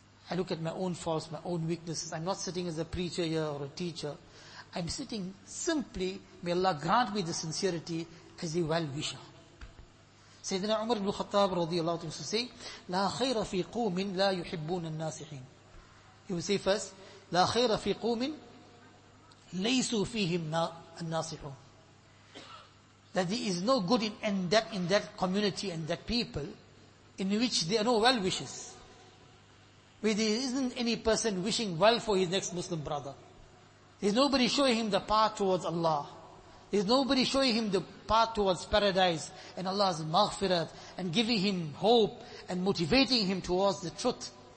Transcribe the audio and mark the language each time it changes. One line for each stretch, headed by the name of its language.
English: I look at my own faults, my own weaknesses. I'm not sitting as a preacher here or a teacher. I'm sitting simply, may Allah grant me the sincerity as a well-wisher. Sayyidina Umar ibn Khattab radiallahu anhu used to say,
Arabic: لا خير في قوم لا يحبون الناصحين.
English: He would say first,
Arabic: لا خير في قوم ليسوا فيهم الناصحون.
English: That there is no good in that community and that people in which there are no well wishes. Where there isn't any person wishing well for his next Muslim brother. There's nobody showing him the path towards Allah. There's nobody showing him the path towards paradise and Allah's maghfirat and giving him hope and motivating him towards the truth.